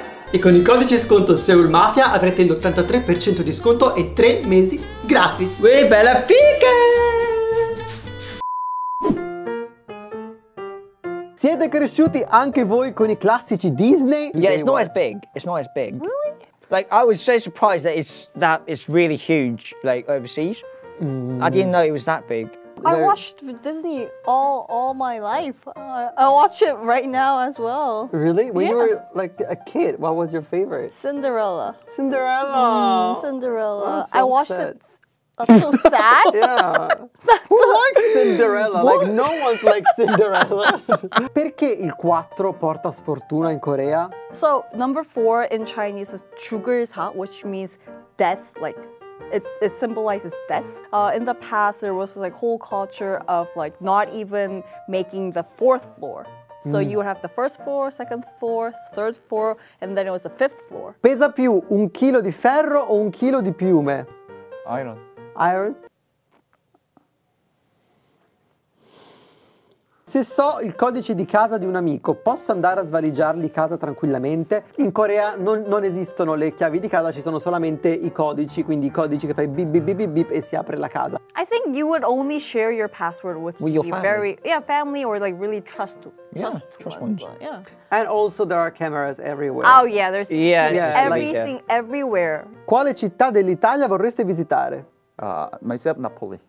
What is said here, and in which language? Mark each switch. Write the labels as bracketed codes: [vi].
[it] E con il codice sconto SEOULMAFIA avrete il 83% di sconto e 3 mesi gratis. Uè, bella fica! Siete cresciuti anche voi con i classici Disney? [en] Yeah, it's not as big. It's not as big. Really? Like, I was so surprised that it's really huge, like, overseas. Mm. I didn't know it was that big. I watched Disney all my life. I watch it right now as well. Really? When you were like a kid, what was your favorite? Cinderella. Cinderella. Cinderella. So I watched it. That's so sad. Yeah. Who likes Cinderella? What? Like, no one's like Cinderella. [it] Perché il 4 porta sfortuna in Corea? [en] So number 4 in Chinese is 죽을사, which means death. Like, it symbolizes death. In the past, there was like whole culture of like not even making the fourth floor. So you would have the first floor, second floor, third floor, and then it was the fifth floor. [it] Pesa più un chilo di ferro o un chilo di piume? [en] Iron. Iron? [it] Se so il codice di casa di un amico, posso andare a svaligiarli casa tranquillamente? In Corea non esistono le chiavi di casa, ci sono solamente i codici, quindi i codici che fai bip bip bip bip bip e si apre la casa. [en] I think you would only share your password with your family. Family or like really trust ones. Yeah. And also there are cameras everywhere. Oh yeah, there's everything everywhere. [it] Quale città dell'Italia vorreste visitare? [en] Myself, Napoli.